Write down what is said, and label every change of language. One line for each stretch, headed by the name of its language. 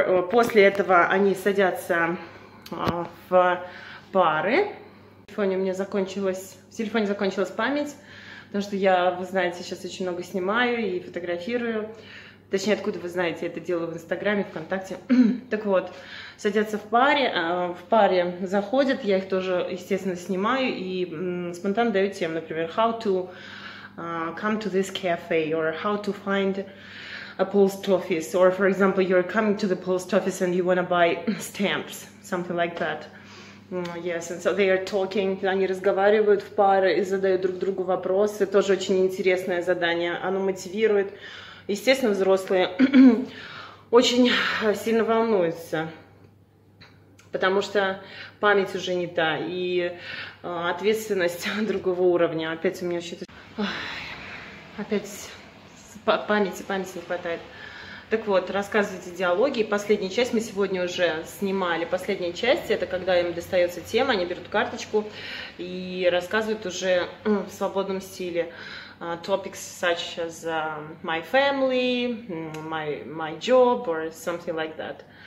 Russian: После этого они садятся в пары. В телефоне закончилась память, потому что я, вы знаете, сейчас очень много снимаю и фотографирую. Точнее, откуда вы знаете, это делаю в Инстаграме, ВКонтакте. Так вот, садятся в паре заходят, я их тоже, естественно, снимаю и спонтанно даю тем, например,
English: how to come to this cafe, or how to find a post office, or, for example, you're coming to the post office and you want to buy stamps, something like that. Yes, and so they are talking,
Russian: они разговаривают в паре и задают друг другу вопросы, тоже очень интересное задание, оно мотивирует. Естественно, взрослые очень сильно волнуются, потому что память уже не та, и ответственность другого уровня. Опять у меня что-то... Ой, опять памяти не хватает. Так вот, рассказывайте диалоги. И последняя часть, мы сегодня уже снимали. Последняя часть, это когда им достается тема, они берут карточку и рассказывают уже в свободном стиле.
English: Topics such as my family, my job or something like that.